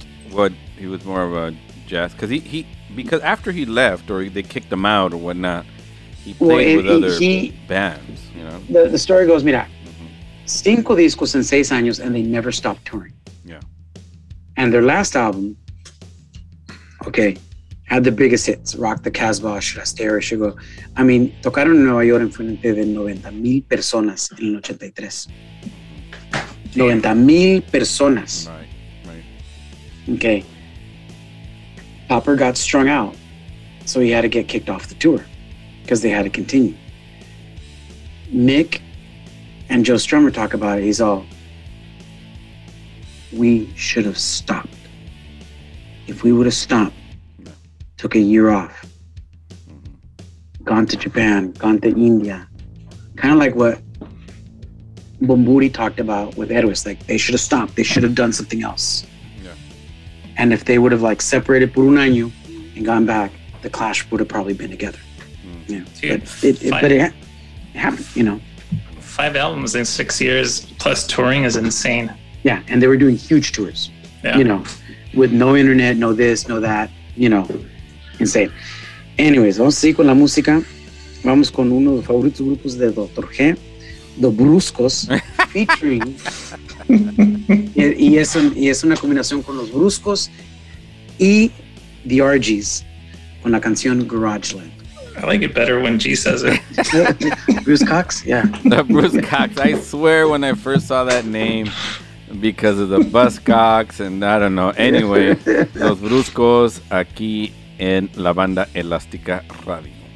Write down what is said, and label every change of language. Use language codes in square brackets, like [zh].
[en] What, he was more of a jazz, because he because after he left or they kicked him out or whatnot, he played with other bands. You know, the story goes, mira. [es] Cinco discos en seis años, [en] and they never stopped touring. Yeah. And their last album, okay, had the biggest hits, Rock the Casbah, Should I Stay or Should I Go. I mean, [es] tocaron en Nueva York en frente de 90,000 personas en el 83. [en] Damn. [es] 90,000 personas. [en] Right, right. Okay. Popper got strung out, so he had to get kicked off the tour because they had to continue. Mick and Joe Strummer talk about it. He's all, we should have stopped. If we would have stopped, took a year off, gone to Japan, gone to India, kind of like what Bumburi talked about with Héroes, like they should have stopped, they should have done something else. Yeah. And if they would have like separated [es] por un año [en] and gone back, the Clash would have probably been together. But it happened, you know. Five albums in 6 years plus touring is insane. Yeah, and they were doing huge tours, yeah. You know, with no internet, no this, no that, you know. Insane. Anyways, [es] vamos a seguir con la música. Vamos con uno de los favoritos grupos de Dr. G, Los Bruscos, featuring. y es una combinación con Los Bruscos y The RGs con la canción Garageland. [en] I like it better when G says it. Bruce Cox? Yeah. The Bruce Cox. I swear when I first saw that name. Because of the Buzzcocks and I don't know. [es] Anyway, Los Bruscos aquí en la banda Elástica Radio.